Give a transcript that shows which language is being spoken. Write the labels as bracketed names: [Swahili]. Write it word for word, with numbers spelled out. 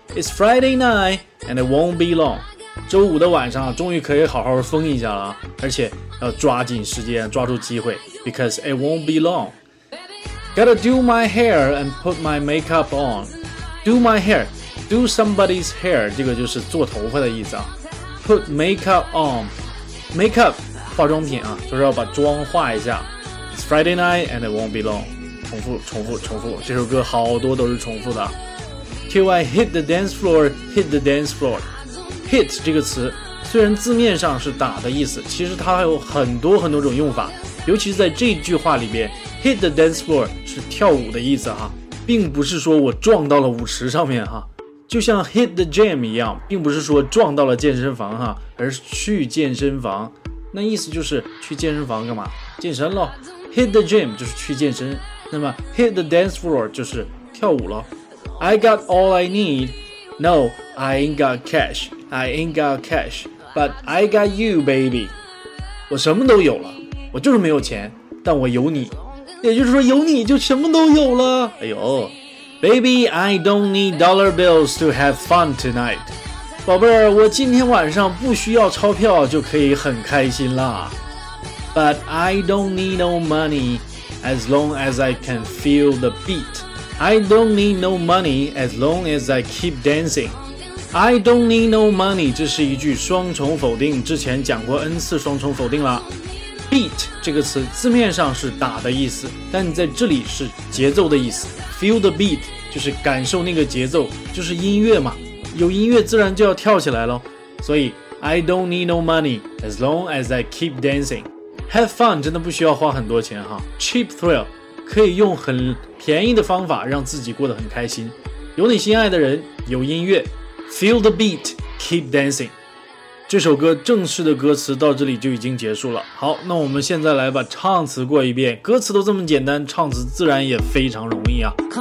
[English] It's Friday night and it won't be long。 [Chinese] 周五的晚上终于可以好好疯一下了啊，而且要抓紧时间，抓住机会， [English] because it won't be long。 Gotta do my hair and put my makeup on。 Do my hair，Do somebody's hair， [Chinese] 这个就是做头发的意思啊。 [English] Put makeup on， [Chinese] makeup 化妆品啊，就是要把妆化一下。 [English] It's Friday night and it won't be long。 [Chinese] 重复重复重复，这首歌好多都是重复的。 [English] Till I hit the dance floor， hit the dance floor。 [Chinese] hit 这个词虽然字面上是打的意思，其实它还有很多很多种用法，尤其是在这句话里边， [English] hit the dance floor [Chinese] 是跳舞的意思哈，并不是说我撞到了舞池上面哈，就像 [English] hit the gym [Chinese] 一样，并不是说撞到了健身房哈，而是去健身房。那意思就是去健身房干嘛？健身咯。 [English] hit the gym [Chinese] 就是去健身，那么 [English] hit the dance floor [Chinese] 就是跳舞咯。 [English] I got all I need. No, I ain't got cash. I ain't got cash. But I got you, baby. [Chinese] 我什么都有了，我就是没有钱，但我有你。也就是说有你就什么都有了。 [English] 哎呦，Baby, I don't need dollar bills to have fun tonight. [Chinese] 宝贝儿，我今天晚上不需要钞票就可以很开心啦。 [English] But I don't need no money as long as I can feel the beat. I don't need no money as long as I keep dancing. I don't need no money， [Chinese] 这是一句双重否定，之前讲过 n 次双重否定啦。 Beat 这个词字面上是打的意思，但在这里是节奏的意思。 [English] Feel the beat [Chinese] 就是感受那个节奏，就是音乐嘛，有音乐自然就要跳起来咯。所以 [English] I don't need no money as long as I keep dancing。 Have fun [Chinese] 真的不需要花很多钱哈。 [English] Cheap thrill [Chinese] 可以用很便宜的方法让自己过得很开心，有你心爱的人，有音乐， [English] Feel the beat， Keep dancing。 [Chinese] 这首歌正式的歌词到这里就已经结束了。好，那我们现在来把唱词过一遍，歌词都这么简单，唱词自然也非常容易啊。